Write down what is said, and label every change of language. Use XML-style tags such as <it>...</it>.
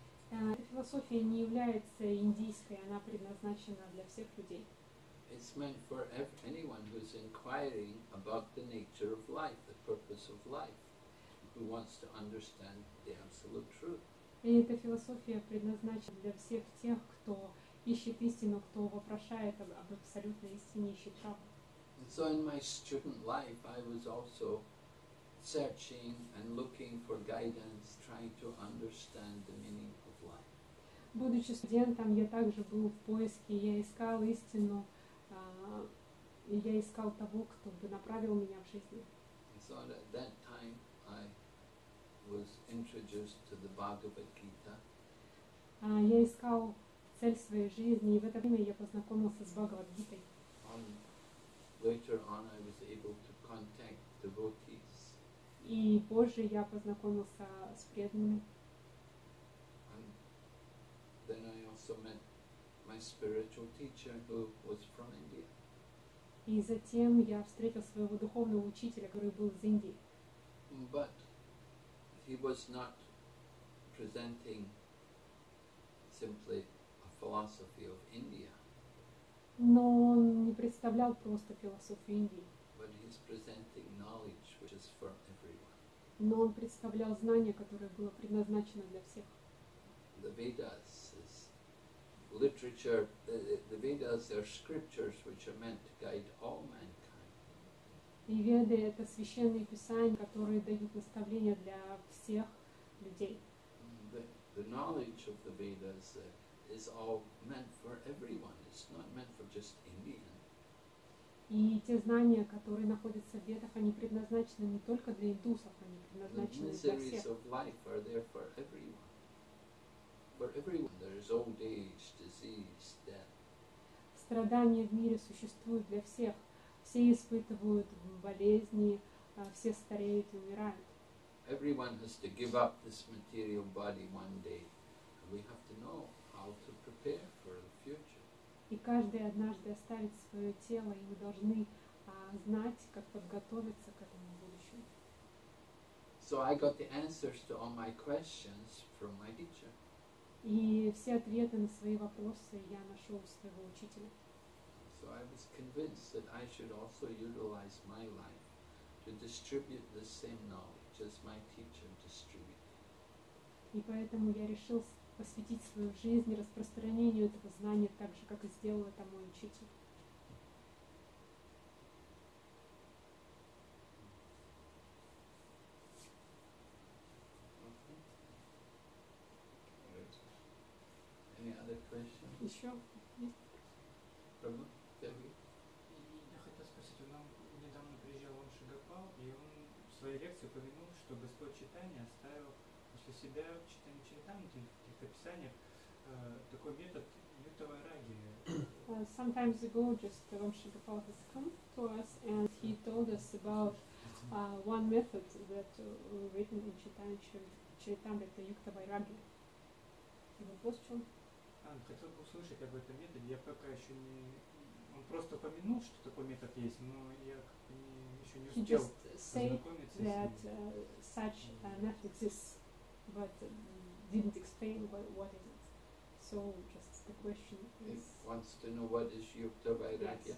<ru>Эта философия не является индийской, она предназначена для всех людей.</ru> <en>It's meant for anyone who's inquiring about the nature of life, the purpose of life, who wants to understand the absolute truth.</en> <ru>И эта философия предназначена для всех тех, кто ищет истину, кто вопрошает об абсолютной истине, ищет правду.</ru> <en>So in my student life, I was also searching and looking for guidance, trying to understand the meaning of life.</en> <ru>Будучи студентом, я также был в поиске, я искал истину, и я искал того, кто бы направил меня в жизни.</ru> <en>So at that time, I was introduced to the Bhagavad Gita.</en> <ru>Я искал цель своей жизни, и в это время я познакомился с Бхагавад Гитой.</ru> <en>Later on, I was able to contact devotees.</en> <ru>И позже я познакомился с преданными.</ru> <en>And then I also met my spiritual teacher, who was from India.</en> <ru>И затем я встретил своего духовного учителя, который был из Индии.</ru> <en>But he was not presenting simply a philosophy of India.</en> <ru>Но он не представлял просто философию Индии.</ru> <en>But he's presenting knowledge which is for everyone.</en> <ru>Но он представлял знание, которое было предназначено для всех.</ru> <en>The Vedas is literature. The Vedas are scriptures which are meant to guide all mankind.</en> <ru>И Веды — это священные писания, которые дают наставления для всех людей.</ru> <en>The knowledge of the Vedas is all meant for everyone. It's not meant for just Indian.</en> <ru>И те знания, которые находятся в Ведах, они предназначены не только для индусов, они предназначены для всех.</ru> <en>The miseries of life are there for everyone. For everyone, there is old age, disease, death.</en> <ru>Страдания в мире существуют для всех. Все испытывают болезни, все стареют и умирают.</ru> <en>Everyone has to give up this material body one day. We have to know how to prepare for the future.</en> <ru>И каждый однажды оставит свое тело, и мы должны знать, как подготовиться к этому будущему.</ru> <en>So I got the answers to all my questions from my teacher.</en> <ru>И все ответы на свои вопросы я нашел у своего учителя.</ru> <en>So I was convinced that I should also utilize my life to distribute the same knowledge as my teacher distributed.</en> <ru>И поэтому я решил посвятить свою жизнь распространению этого знания так же, как и сделал это мой учитель.</ru> <en>Any other questions?</en> <ru>Еще есть? Я хотел спросить, он недавно приезжал в Шагапал, и он в своей лекции упомянул, что Господь Читания оставил после себя в Читании Чайтанте, в каких-то писаниях, такой метод Юта Вайраги,</ru> <en>some time ago, just Ram Shagapal has come to us and he told us about one method that written in Chaitanya Yukta Vairagya.</en> <ru>И вопрос в чем? Хотел бы услышать об этом методе. Я пока еще не... Он просто упомянул, что такой метод есть, но я как бы не, еще не успел познакомиться с ним.</ru> <en>That such a method exists, but didn't explain what is it. So just the question is... He wants to know what is Yukta Vairagya.</en>